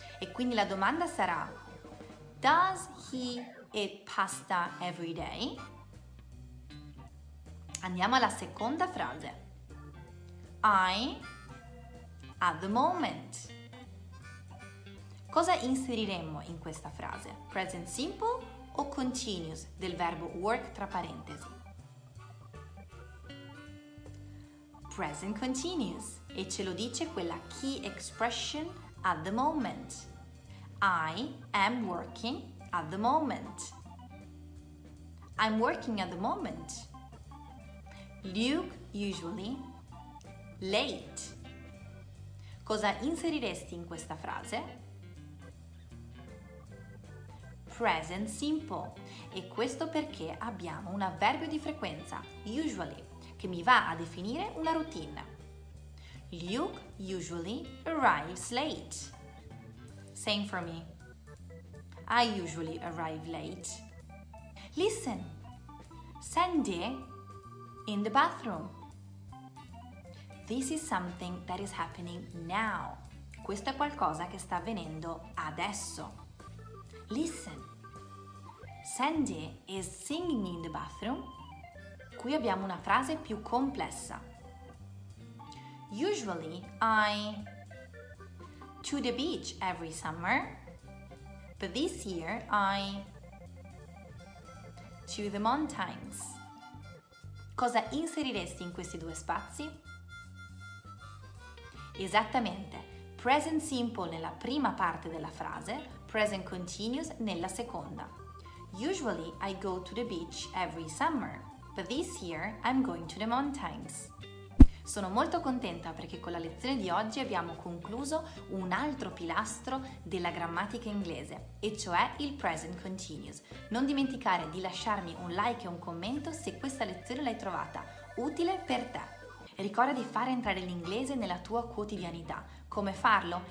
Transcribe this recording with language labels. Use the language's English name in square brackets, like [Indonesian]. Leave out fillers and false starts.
[Italian] E quindi la domanda sarà [English] does he eat pasta every day? [Italian] Andiamo alla seconda frase. [English] I at the moment. [Italian] Cosa inseriremmo in questa frase? Present simple o continuous del verbo work tra parentesi? Present continuous. E ce lo dice quella key expression at the moment. [English] I am working at the moment. I'm working at the moment. Luke usually late. [Italian] Cosa inseriresti in questa frase? Present simple. E questo perché abbiamo un avverbio di frequenza, usually, che mi va a definire una routine. [English] Luke usually arrives late. Same for me. I usually arrive late. Listen. Sandy in the bathroom. This is something that is happening now. [Italian] Questo è qualcosa che sta avvenendo adesso. [English] Listen. Sandy is singing in the bathroom. [Italian] Qui abbiamo una frase più complessa. [English] Usually I to the beach every summer. But this year I to the mountains. [Italian] Cosa inseriresti in questi due spazi? Esattamente, present simple nella prima parte della frase, present continuous nella seconda. [English] Usually I go to the beach every summer, but this year I'm going to the mountains. [Italian] Sono molto contenta perché con la lezione di oggi abbiamo concluso un altro pilastro della grammatica inglese, e cioè il present continuous. Non dimenticare di lasciarmi un like e un commento se questa lezione l'hai trovata utile per te. Ricorda di far entrare l'inglese nella tua quotidianità. Come farlo?